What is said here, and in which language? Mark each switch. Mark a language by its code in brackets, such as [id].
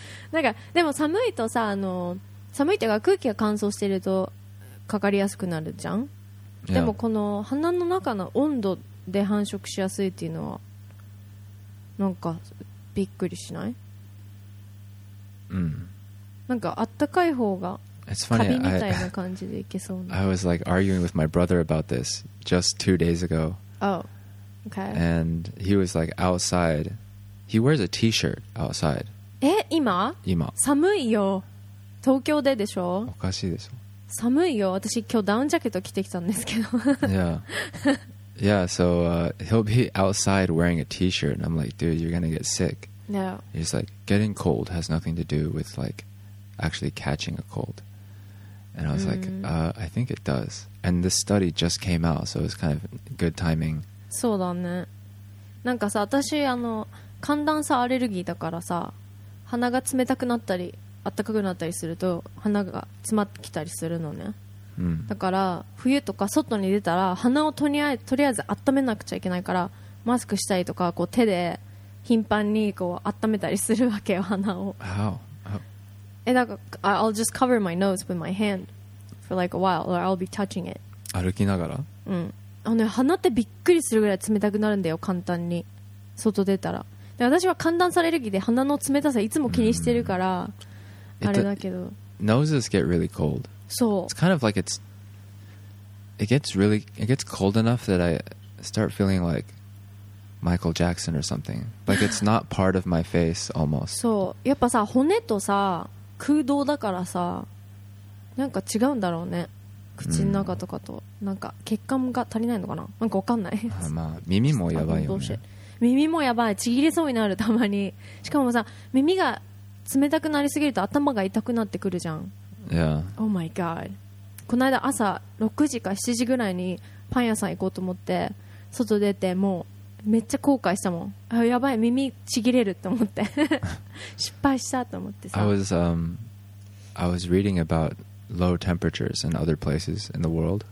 [ja] なんかでも寒いとさ、あの寒いっていうか空気が乾燥してるとかかりやすくなるじゃん。でもこの鼻の中の温度で繁殖しやすいっていうのはなんかびっくりしない？なんかあったかい方が、 [en] It's funny, I was like arguing with my brother about this just 2 days ago. Oh, okay. And he was like outside. He wears a t-shirt outside. [ja] Eh, 今? 今。寒いよ。東京ででしょ？おかしいでしょ。寒いよ。私今日ダウンジャケット着てきたんですけど。 [en] Yeah. Yeah, so he'll be outside wearing a t-shirt. And I'm like, dude, you're going to get sick. Yeah. He's like, getting cold has nothing to do with like actually catching a cold. And I was like, I think it does. And this study just came out, so it was kind of good timing. [ja] そうだね。なんかさ、私あの寒暖差アレルギーだからさ、鼻が冷たくなったり暖かくなったりすると鼻が詰まってきたりするのね。だから冬とか外に出たら鼻をとりあえず温めなくちゃいけないから、マスクしたりとかこう手で頻繁にこう温めたりするわけよ、鼻を。 [en] How? I'll just cover my nose with my hand for like a while, or I'll be touching it. [ja] 歩きながら？うん。あのね、鼻ってびっくりするぐらい冷たくなるんだよ、簡単に。外出たら。で、私は寒暖差アレルギーで鼻の冷たさいつも気にしてるから、あれだけど。 [en] Noses get really cold. [ja] そう。 [en] It's kind of like it gets cold enough that I start feeling like Michael Jackson or something. Like it's not part of my face almost. [ja] そう、やっぱさ骨とさ空洞だからさなんか違うんだろうね。口の中とかと、mm. なんか血管が足りないのかな。なんかわかんない。あ、まあ耳もやばいよね。耳もやばい。ちぎれそうになるたまに。しかもさ耳が冷たくなりすぎると頭が痛くなってくるじゃん。 [en] Yeah. Oh my god。 [ja] この間朝6時か7時ぐらいにパン屋さん行こうと思って外出てもうめっちゃ後悔したもん。あやばい耳ちぎれるって思って失敗したと思ってさ。 [en] I was reading about low temperatures in other places in the world、